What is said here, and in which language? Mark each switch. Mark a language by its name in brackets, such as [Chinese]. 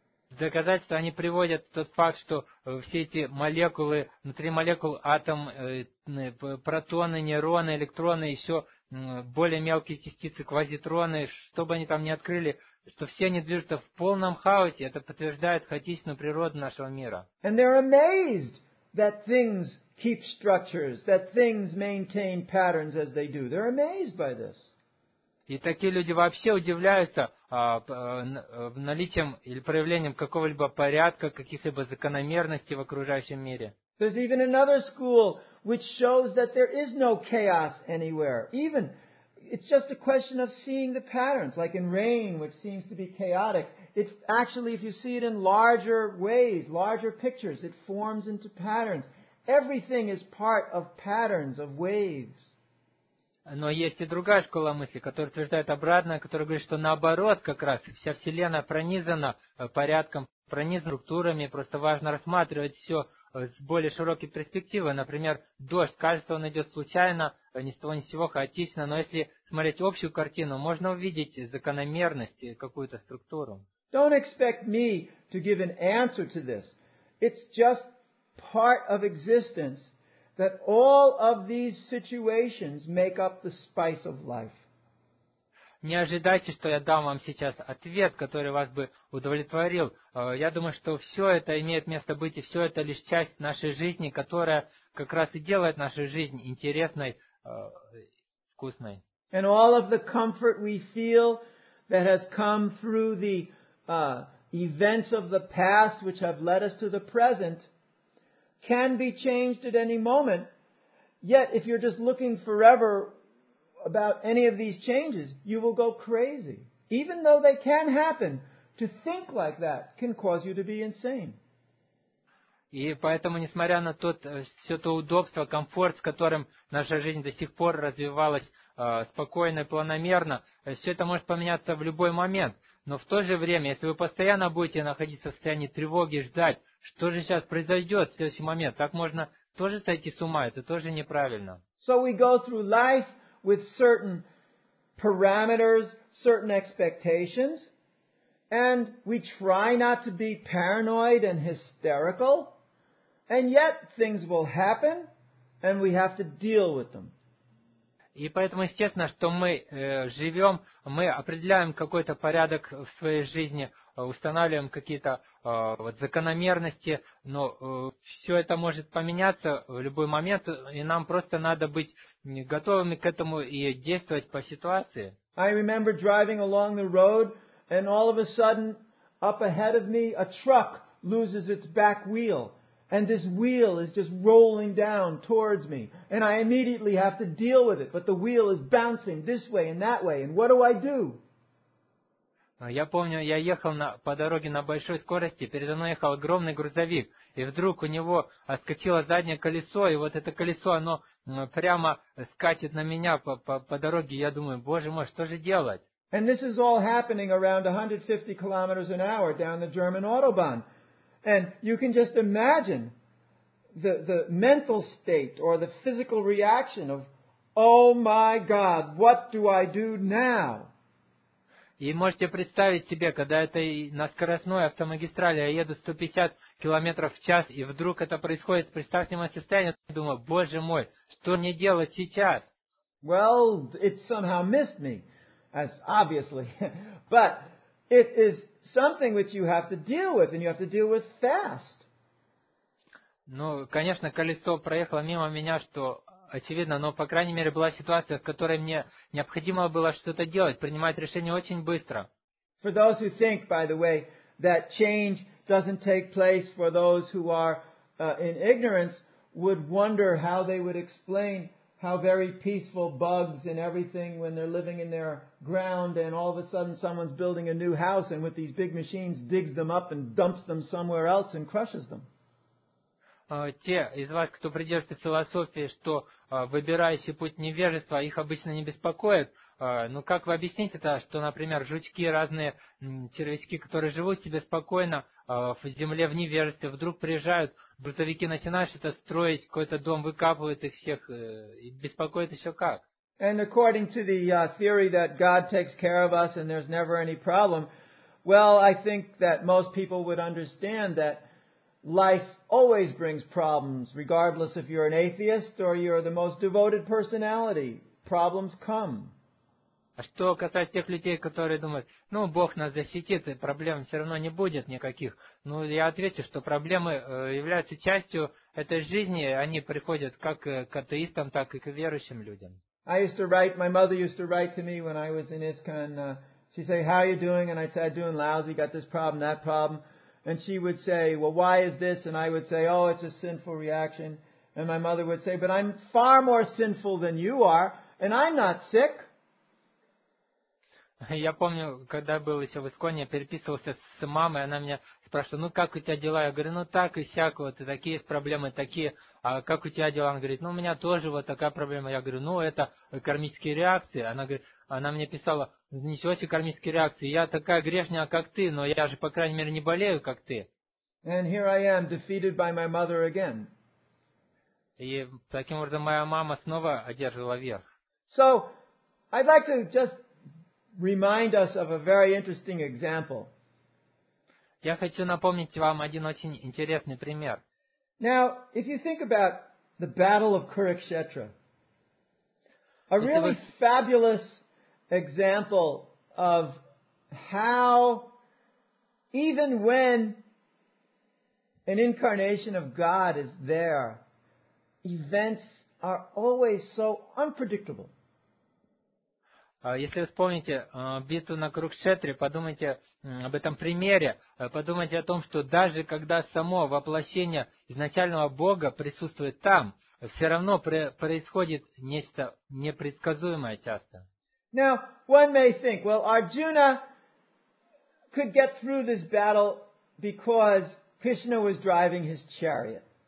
[Russian] Доказательства они приводят тот факт, что все эти молекулы, внутри молекул атом, протоны, нейроны, электроны, еще более мелкие частицы, квазитроны, что бы они там ни открыли, что все они движутся в полном хаосе, это подтверждает хаотичную природу нашего мира. [English] And they're amazed that things keep structures, that things maintain patterns as they do. They're amazed by this. [Russian] И такие люди вообще удивляются наличием или проявлением какого-либо порядка, каких-либо закономерностей в окружающем мире. [English] There's even another school which shows that there is no chaos anywhere. Even it's just a question of seeing the patterns, like in rain, which seems to be chaotic. It actually, if you see it in larger ways, larger pictures, it forms into patterns. Everything is part of patterns of waves. [Russian] Но есть и другая школа мысли, которая утверждает обратное, которая говорит, что наоборот, как раз, вся Вселенная пронизана порядком, пронизана структурами, просто важно рассматривать все с более широкой перспективой. Например, дождь, кажется, он идет случайно, ни с того ни с сего, хаотично, но если смотреть общую картину, можно увидеть закономерность, какую-то структуру. [English] Don't expect me to give an answer to this. It's just part of existence that all of these situations make up the spice of life. [Russian] Не ожидайте, что я дам вам сейчас ответ, который вас бы удовлетворил. Я думаю, что все это имеет место быть, и все это лишь часть нашей жизни, которая как раз и делает нашу жизнь интересной, вкусной. [English] And all of the comfort we feel that has come through the events of the past, which have led us to the present, can be changed at any moment. Yet, if you're just looking forever about any of these changes, you will go crazy. Even though they can happen, to think like that can cause you to be insane. [Russian] И поэтому, несмотря на тот, все то удобство, комфорт, с которым наша жизнь до сих пор развивалась спокойно и планомерно, все это может поменяться в любой момент. Но в то же время, если вы постоянно будете находиться в состоянии тревоги, ждать, что же сейчас произойдет в следующий момент, так можно тоже сойти с ума, это тоже неправильно. [English] So we go through life with certain parameters, certain expectations, and we try not to be paranoid and hysterical, and yet things will happen, and we have to deal with them. [Russian] И поэтому естественно, что мы живем, мы определяем какой-то порядок в своей жизни, устанавливаем какие-то вот закономерности, но все это может поменяться в любой момент, и нам просто надо быть готовыми к этому и действовать по ситуации. [English] I remember driving along the road, and all of a sudden, up ahead of me, a truck loses its back wheel. And this wheel is just rolling down towards me. And I immediately have to deal with it. But the wheel is bouncing this way and that way. And what do? [Russian] Я помню, я ехал по дороге на большой скорости. Передо мной ехал огромный грузовик. И вдруг у него отскочило заднее колесо. И вот это колесо, оно прямо скачет на меня по дороге. Я думаю, боже мой, что же делать? [English] And this is all happening around 150 kilometers an hour down the German Autobahn. And you can just imagine the mental state or the physical reaction of, oh my God, what do I do now? [Russian] И можете представить себе, когда это на скоростной автомагистрали, я еду 150 километров в час, и вдруг это происходит, представьте мое состояние, я думаю, боже мой, что мне делать сейчас? [English] Well, it somehow missed me, as obviously, but it is something which you have to deal with, and you have to deal with fast. [Russian] Ну, конечно, колесо проехало мимо меня, что очевидно, но, по крайней мере, была ситуация, в которой мне необходимо было что-то делать, принимать решение очень быстро. [English] For those who think, by the way, that change doesn't take place for those who are in ignorance, would wonder how they would explain how very peaceful bugs and everything when they're living in their ground and all of a sudden someone's building a new house and with these big machines digs them up and dumps them somewhere else and crushes them. [Russian] Те из вас, кто придерживается философии, что выбирающий путь невежества их обычно не беспокоит, ну как вы объясните это, что, например, жучки, разные червячки, которые живут себе спокойно в земле, в невежестве, вдруг приезжают, грузовики начинают это строить, какой-то дом выкапывают их всех, и беспокоит еще как? [English] And according to the theory that God takes care of us and there's never any problem, well, I think that most people would understand that life always brings problems, regardless if you're an atheist or you're the most devoted personality. Problems come. [Russian] А что касается тех людей, которые думают, ну, Бог нас защитит, и проблем все равно не будет никаких. Ну, я отвечу, что проблемы являются частью этой жизни, они приходят как к атеистам, так и к верующим людям. [English] I used to write, my mother used to write to me when I was in ISKCON. She'd say, how are you doing? And I'd say, I'm doing lousy, got this problem, that problem. And she would say, well, why is this? And I would say, oh, it's a sinful reaction. And my mother would say, but I'm far more sinful than you are, and I'm not sick. [Russian] Я помню, когда был еще в Исконе, я переписывался с мамой, она меня спрашивала, ну как у тебя дела? Я говорю, ну так и сяк, вот и такие есть проблемы, такие, а как у тебя дела? Она говорит, ну у меня тоже вот такая проблема. Я говорю, ну это кармические реакции. Она говорит, она мне писала, ничего себе кармические реакции, я такая грешня, как ты, но я же, по крайней мере, не болею, как ты. [English] And here I am, defeated by my mother again. [Russian] И таким образом моя мама снова одерживала верх. [English] So, I'd like to just remind us of a very interesting example. [Russian] Я хочу напомнить вам один очень интересный пример. [English] Now, if you think about the Battle of Kurukshetra, a really fabulous example of how, even when an incarnation of God is there, events are always so unpredictable. [Russian] Если вы вспомните битву на Курукшетре, подумайте об этом примере, подумайте о том, что даже когда само воплощение изначального Бога присутствует там, все равно происходит нечто непредсказуемое часто. [English] Now, one may think, well, Arjuna could get through this battle because Krishna was driving his chariot.